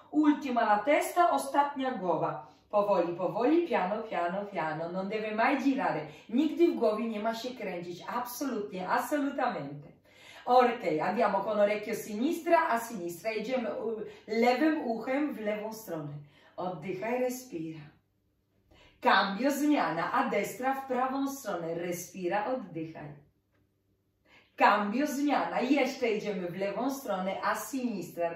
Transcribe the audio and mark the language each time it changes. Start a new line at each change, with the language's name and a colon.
Italian: Ultima la testa,
Polish: ostatnia głowa. Powoli, powoli,
Italian: piano, piano, piano. Non deve mai girare.
Polish: Nigdy w głowie nie ma się kręcić. Absolutnie,
Italian: assolutamente. Ok, andiamo con orecchio sinistra a sinistra.
Polish: Idziemy lewym uchem w lewą stronę. Oddychaj,
Italian: respira. Cambio,
Polish: zmiana.
Italian: A destra
Polish: w prawą stronę.
Italian: Respira,
Polish: oddychaj.
Italian: Cambio,
Polish: zmiana. Jeszcze idziemy w lewą stronę,
Italian: a sinistra.